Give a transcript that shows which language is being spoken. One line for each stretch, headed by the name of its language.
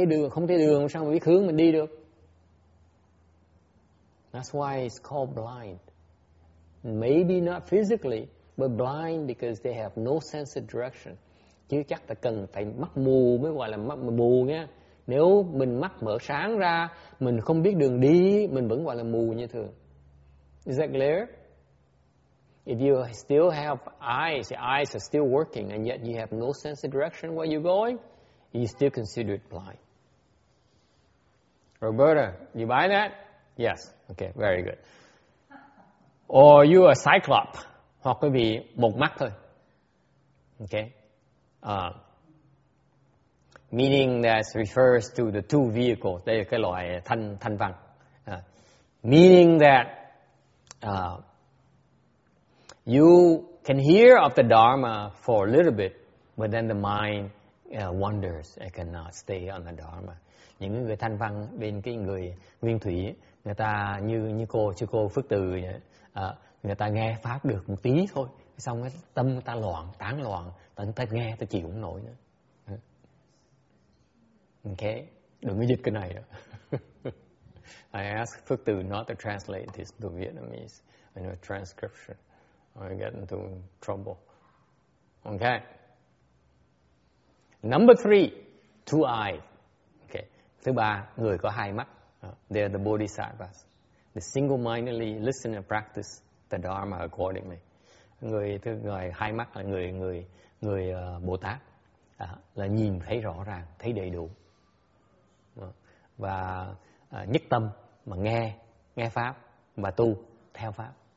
Vietnamese: Không thấy đường, sao mà biết hướng mình đi được?
English: That's why it's called blind. Maybe not physically, but blind because they have no sense of direction.
Vietnamese: Chứ chắc là cần phải mắt mù mới gọi là mắt mù nha. Nếu mình mắt mở sáng ra, mình không biết đường đi, mình vẫn gọi là mù như thường.
English: Is that clear? If you still have eyes, your eyes are still working, and yet you have no sense of direction where you're going, you still consider it blind. Roberta, you buy that? Yes. Okay, very good. Or you are a cyclop.
Vietnamese: Hoặc quý vị một mắt thôi.
English: Okay. Meaning that refers to the two vehicles.
Vietnamese: Đây là cái loại thanh văn.
English: Meaning that you can hear of the Dharma for a little bit, but then the mind wanders and cannot stay on the Dharma.
Vietnamese: những người thanh văn bên cái người nguyên thủy, người ta như như cô sư cô Phước Từ à, người ta nghe pháp được một tí thôi xong cái tâm người ta loạn tán loạn, tận ta nghe ta chịu không nổi nữa. Ok, đừng có dịch cái này.
English: I ask Phước Từ not to translate this to Vietnamese in a transcription or get into trouble. Okay. Number three, two eyes.
Vietnamese: Okay. Thứ ba, người có hai mắt.
English: They are the bodhisattvas. They single-mindedly listen and practice the Dharma accordingly.
Vietnamese: Người thứ người hai mắt là người người người Bồ Tát là nhìn thấy rõ ràng, thấy đầy đủ và nhất tâm mà nghe nghe pháp và tu theo pháp.